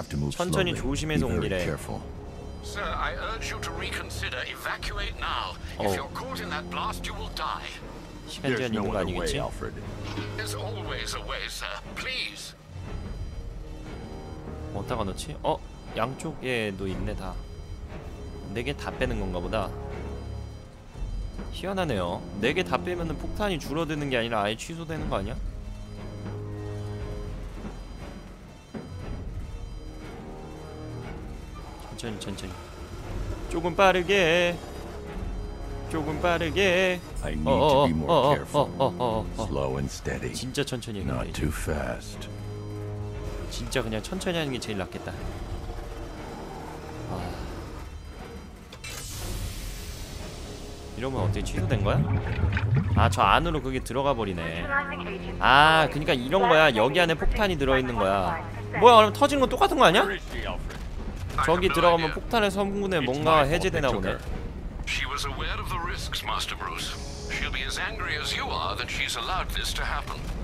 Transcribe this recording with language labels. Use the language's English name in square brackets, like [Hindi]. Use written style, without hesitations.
[Korean] 천천히 조심해서 옮기래. [English] Sir, I urge you to reconsider. Evacuate now. If you're caught in that blast, you will die. [Korean] 시간제한 있는 거 아니겠지? There's always a way, sir. Please. 어디다가 놓지? 어? 양쪽에도 있네 다. 네 개 다 빼는 건가 보다. 희한하네요. 네 개 다 빼면은 폭탄이 줄어드는 게 아니라 아예 취소되는 거 아니야? 천천히 천천히. 조금 빠르게. 조금 빠르게. [English] I need to be more careful. Slow and steady. [Korean] 진짜 천천히 해. [English] Not too fast. [Korean] 진짜 그냥 천천히 하는 게 제일 낫겠다. 이러면 어떻게 취소된 거야? 아, 저 안으로 그게 들어가 버리네. 아, 그러니까 이런 거야. 여기 안에 폭탄이 들어 있는 거야. 뭐야, 그럼 터진 건 똑같은 거 아니야? 저기 들어가면 폭탄의 성분에 뭔가 해제되나 보네. [English] She was aware of the risks, Master Bruce. She'll be as angry as you are that she's allowed this to happen.